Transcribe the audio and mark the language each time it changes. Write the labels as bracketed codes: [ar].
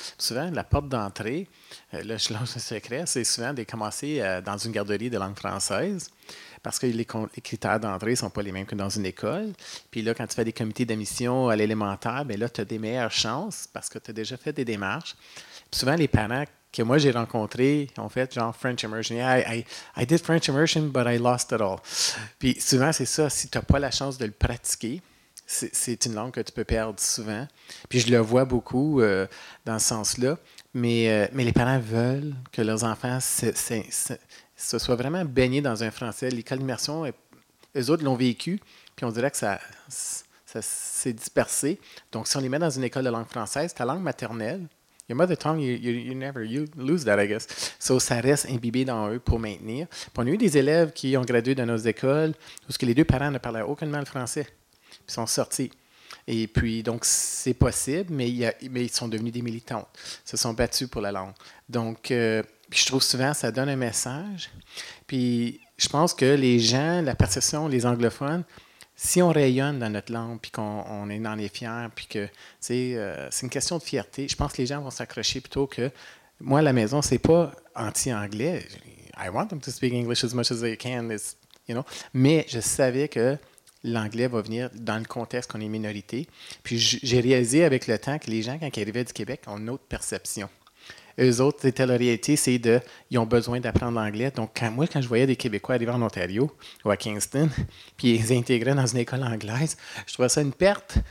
[fr] Souvent, la porte d'entrée, là, je lance un secret, c'est souvent de commencer dans une garderie de langue française parce que les critères d'entrée ne sont pas les mêmes que dans une école. Puis là, quand tu fais des comités d'admission à l'élémentaire, bien là, tu as des meilleures chances parce que tu as déjà fait des démarches. Puis souvent, les parents que moi j'ai rencontrés ont fait genre French immersion. [en] I did French immersion, but I lost it all. [fr] Puis souvent, c'est ça, si tu n'as pas la chance de le pratiquer, c'est une langue que tu peux perdre souvent. Puis je le vois beaucoup dans ce sens-là. Mais les parents veulent que leurs enfants se soient vraiment baignés dans un français. L'école d'immersion, eux autres l'ont vécu. Puis on dirait que ça s'est dispersé. Donc, si on les met dans une école de langue française, ta langue maternelle, [en] Your mother tongue, you never you lose that, I guess. [fr] So, ça reste imbibé dans eux pour maintenir. Puis on a eu des élèves qui ont gradué de nos écoles où les deux parents ne parlaient aucunement le français. Ils sont sortis. Et puis, donc, c'est possible, mais ils sont devenus des militantes. Ils se sont battus pour la langue. Donc, je trouve souvent que ça donne un message. Puis, je pense que les gens, la perception, les anglophones, si on rayonne dans notre langue, puis qu'on est dans les fiers, puis que, tu sais, c'est une question de fierté, je pense que les gens vont s'accrocher plutôt que... Moi, à la maison, c'est pas anti-anglais. [en] I want them to speak English as much as they can, you know. [fr] Mais je savais que l'anglais va venir dans le contexte qu'on est minorité. Puis j'ai réalisé avec le temps que les gens, quand ils arrivaient du Québec, ont une autre perception. Eux autres, c'était leur réalité, c'est de... Ils ont besoin d'apprendre l'anglais. Donc, quand je voyais des Québécois arriver en Ontario ou à Kingston, puis ils intégraient dans une école anglaise, je trouvais ça une perte.